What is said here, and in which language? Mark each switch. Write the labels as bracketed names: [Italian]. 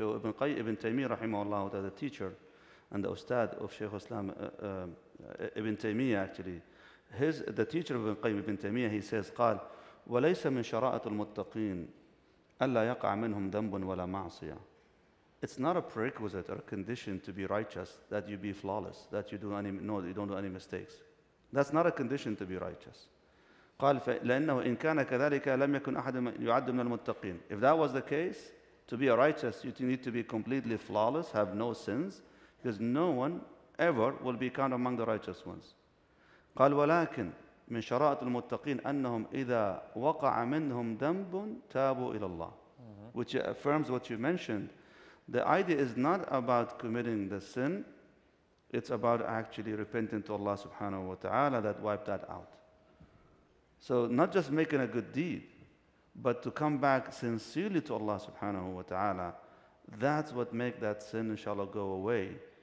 [English] So Ibn Taymiyyah rahimahullah, the teacher and the ustad of Shaykh Islam, Ibn Taymiyyah actually, the teacher of Ibn Qayyim Ibn Taymiyyah, he says, قال, وليس من شرائط المتقين ألا يقع منهم ذنب ولا معصية. It's not a prerequisite or a condition to be righteous that you be flawless, that you do any, no, you don't do any mistakes. That's not a condition to be righteous. [Arabic] قال لأنه إن كان كذلك لم يكن أحد يعد من المتقين. [English] If that was the case, to be a righteous, you need to be completely flawless, have no sins, because no one ever will be counted among the righteous ones. [Arabic] قال ولكن من شرائط المتقين أنهم إذا وقع منهم ذنب تابوا إلى الله. [English] Which affirms what you mentioned. The idea is not about committing the sin, it's about actually repenting to Allah subhanahu wa ta'ala that wiped that out. So not just making a good deed, but to come back sincerely to Allah subhanahu wa ta'ala, that's what makes that sin, inshallah, go away.